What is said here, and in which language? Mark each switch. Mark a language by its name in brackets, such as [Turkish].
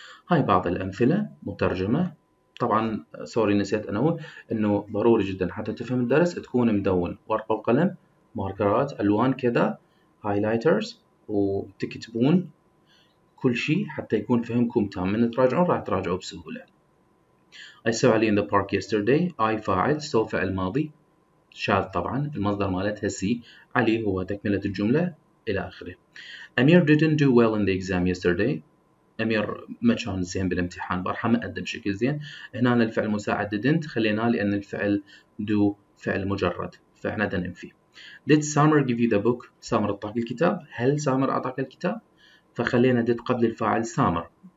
[Arabic] هاي بعض الأمثلة مترجمة. طبعا سوري نسيت أنوه إنه ضروري جدا حتى تفهم الدرس تكون مدون ورقة وقلم، ماركرات، ألوان كذا، هايلايترز، وتكتبون كل شيء حتى يكون فهمكم تام. من تراجعون راح تراجعوا بسهولة. [English] I saw Ali in the park yesterday. [Arabic] I فاعل، so فعل ماضي، shall طبعا المصدر مالتها see، علي هو تكملة الجملة إلى آخره. [English] Amir didn't do well in the exam yesterday. [Arabic] أمير ما كان زين بالامتحان بارحة، ما قدم بشكل زين. هنا الفعل المساعد didn't خليناه لأن الفعل do فعل مجرد، فإحنا ننفي. [English] Did Summer give you the book؟ [Arabic] سامر أعطاك الكتاب؟ هل سامر أعطاك الكتاب؟ فخلينا did قبل الفاعل سامر.